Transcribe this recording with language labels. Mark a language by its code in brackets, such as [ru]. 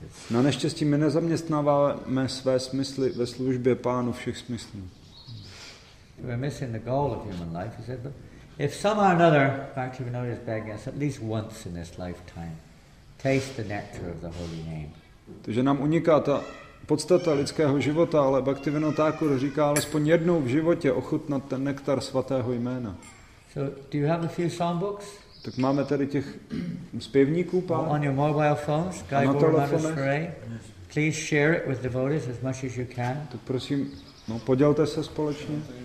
[cs] No, neštěstí, my nezaměstnáváme své smysly ve službě pánu všech smyslů. [en] We're missing the goal of human life, he said, but if somehow or another, Bhaktivinoda is begging us at least once in this lifetime, taste the nectar of the holy name. [cs] Takže nám uniká ta podstata lidského života, ale Bhaktivinoda Thakur říká alespoň jednou v životě ochutnat ten nektar svatého jména. [en] So, do you have a few song books? [cs] Tak máme tady těch zpěvníků, pár? [en] On your mobile phones, Guy Gurumadaswaray. Please share it with devotees as much as you can. [cs] Tak prosím, no, podělte se společně.